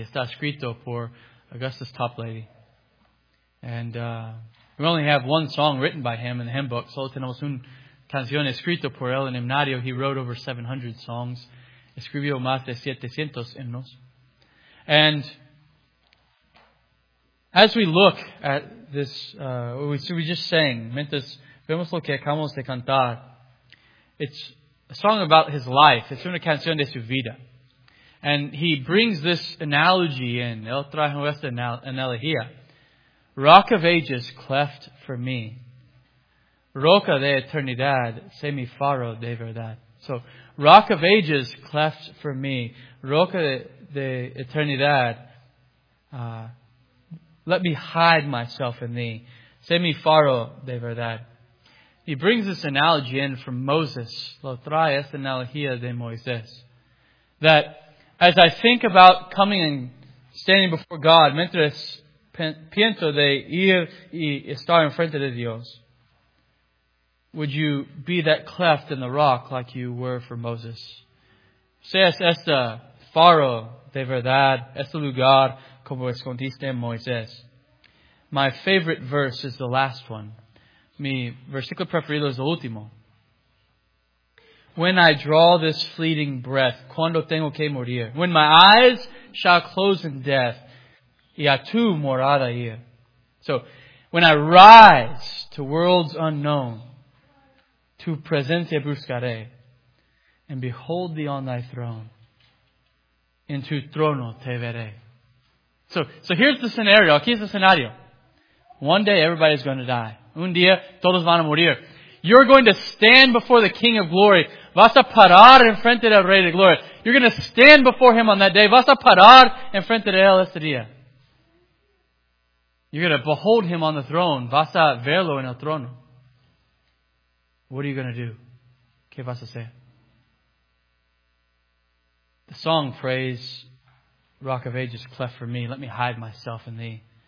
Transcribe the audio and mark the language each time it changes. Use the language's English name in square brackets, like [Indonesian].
[Spanish] Está escrito por Augustus Toplady. [English] And we only have one song written by him in the hymn book. [Spanish] Solo tenemos una canción escrita por él en himnario. [English] He wrote over 700 songs. [Spanish] Escribió más de 700 himnos. [English] And as we look at this, we just sang, [Spanish] mientras vemos lo que acabamos de cantar, [English] it's a song about his life. [Spanish] It's una canción de su vida. [English] And he brings this analogy in, [Spanish] él trajo esta analogía. [English] Rock of ages cleft for me, [Spanish] roca de eternidad, sé mi faro de verdad. [English] So, rock of ages cleft for me, [Spanish] roca de eternidad, [English] let me hide myself in thee, [Spanish] sé mi faro de verdad. [English] He brings this analogy in from Moses, [Spanish] lo trae esta analogía de Moisés, [English] that as I think about coming and standing before God, [Spanish] mientras pienso de ir y estar en frente de Dios, [English] would you be that cleft in the rock like you were for Moses? [Spanish] Seas este faro de verdad, este lugar como escondiste Moisés. [English] My favorite verse is the last one. [Spanish] Mi versículo preferido es el último. [English] When I draw this fleeting breath, [Spanish] cuando tengo que morir, [English] when my eyes shall close in death, [Spanish] y a tu morada ir. [English] So, when I rise to worlds unknown, [Spanish] tu presencia buscaré, [English] and behold thee on thy throne, [Spanish] en tu trono te veré. [English] So here's the scenario. [Spanish] Aquí es el escenario. [English] One day everybody's going to die. [Spanish] Un día todos van a morir. [English] You're going to stand before the King of Glory. [Spanish] Vas a parar en frente del Rey de Gloria. [English] You're going to stand before Him on that day. [Spanish] Vas a parar en frente de Él ese día. [English] You're going to behold Him on the throne. [Spanish] Vas a verlo en el trono. [English] What are you going to do? [Spanish] ¿Qué vas a hacer? [English] The song prays, Rock of Ages, cleft for me. Let me hide myself in thee.